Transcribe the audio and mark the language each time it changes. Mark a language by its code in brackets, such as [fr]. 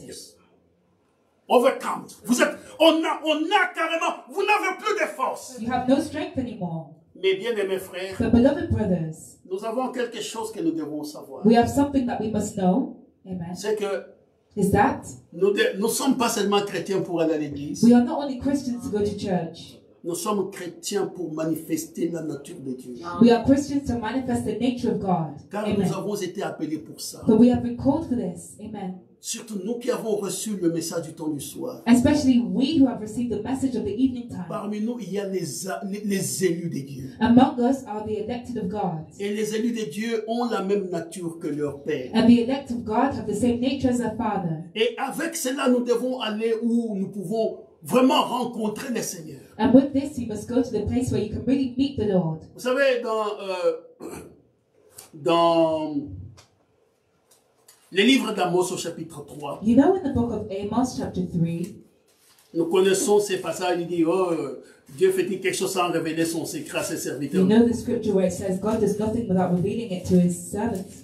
[en] Yes. Overcome. [fr] Vous êtes. On a carrément. Vous n'avez plus de force. [en] You have no strength anymore. [fr] Mes bien-aimés frères, [en] but beloved brothers, [fr] nous avons quelque chose que nous devons savoir. [en] We have something that we must know. Amen. [fr] C'est que [en] is that [fr] nous ne sommes pas seulement chrétiens pour aller à l'église. [en] We are not only Christians to go to church. [fr] Nous sommes chrétiens pour manifester la nature de Dieu. [en] We are Christians to manifest the nature of God. [fr] Car [en] amen. [fr] Nous avons été appelés pour ça. [en] But we have been called for this. Amen. [fr] Surtout nous qui avons reçu le message du temps du soir. [en] Especially we who have received the message of the evening time. [fr] Parmi nous, il y a les élus de Dieu. [en] Among us are the elected of God. [fr] Et les élus de Dieu ont la même nature que leur père. [en] And the elect of God have the same nature as their father. [fr] Et avec cela, nous devons aller où nous pouvons vraiment rencontrer le Seigneur. [en] And with this, you must go to the place where you can really meet the Lord. [fr] Vous savez, dans le livre d'Amos au chapitre 3. [en] You know in the book of Amos chapter 3. [fr] Nous connaissons ces passages. Il dit, oh, Dieu fait-il quelque chose sans révéler son secret à ses serviteurs. [en] You know the scripture where it says, God does nothing without revealing it to his servants.